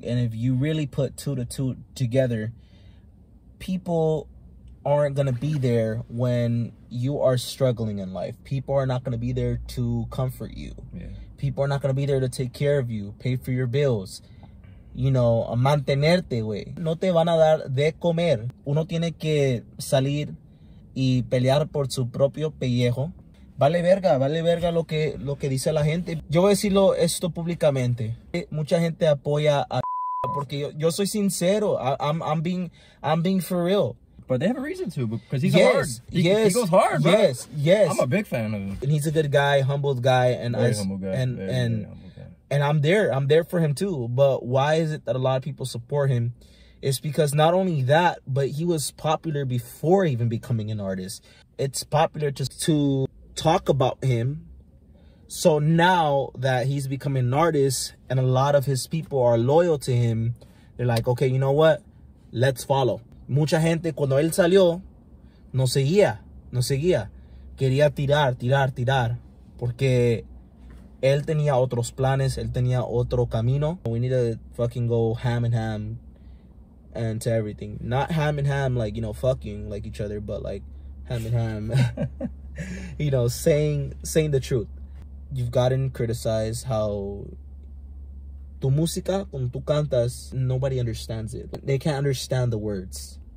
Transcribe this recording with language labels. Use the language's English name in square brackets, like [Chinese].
[English] And if you really put two to two together, people aren't going to be there when you are struggling in life. People are not going to be there to comfort you. Yeah. People are not going to be there to take care of you, pay for your bills, you know, [Spanish] mantenerte, güey. No te van a dar de comer. Uno tiene que salir y pelear por su propio pellejo. Vale verga lo que dice la gente. Yo voy a decirlo esto públicamente. Mucha gente apoya a porque yo soy sincero. [English] I'm being for real. But they have a reason to, because he's hard. He goes hard, bro. Yes, yes. I'm a big fan of him. And he's a good guy, humbled guy. And I'm there. I'm there for him, too. But why is it that a lot of people support him? It's because not only that, but he was popular before even becoming an artist. It's popular to talk about him. So now that he's becoming an artist and a lot of his people are loyal to him, they're like, okay, you know what? Let's follow. [Spanish] Mucha gente cuando él salió no seguía, quería tirar porque él tenía otros planes, él tenía otro camino. [English] We need to fucking go ham and ham and to everything, not ham and ham like, you know, fucking like each other, but like ham and ham you know, saying the truth. You've gotten criticized how [Spanish] tu música, cuando tú cantas, [English] nobody understands it, they can't understand the words.